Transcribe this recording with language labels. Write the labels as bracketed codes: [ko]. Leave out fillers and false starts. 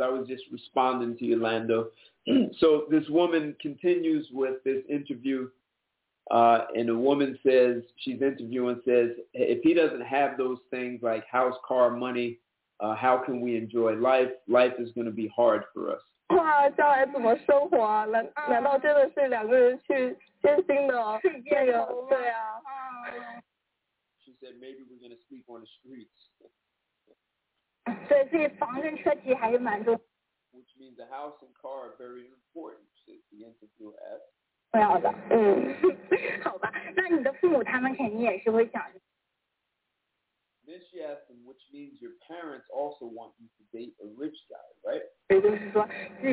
[en] I was just responding to you, Lando. So this woman continues with this interview, and a woman says, she's interviewing, says, if he doesn't have those things like house, car, money, how can we enjoy life? Life is going to be hard for us. [zh] 哇，将来怎么生活啊？难道真的是两个人去艰辛的那个？对啊。 [en] She said maybe we're going to sleep on the streets. [zh] 对，所以房子车技还是蛮重要。 [en] Which means the house and car are very important, says the interviewer asked. [zh] 不要的，嗯，好吧，那你的父母他们肯定也是会想。 [en] Then she asked him, which means your parents also want you to date a rich guy, right?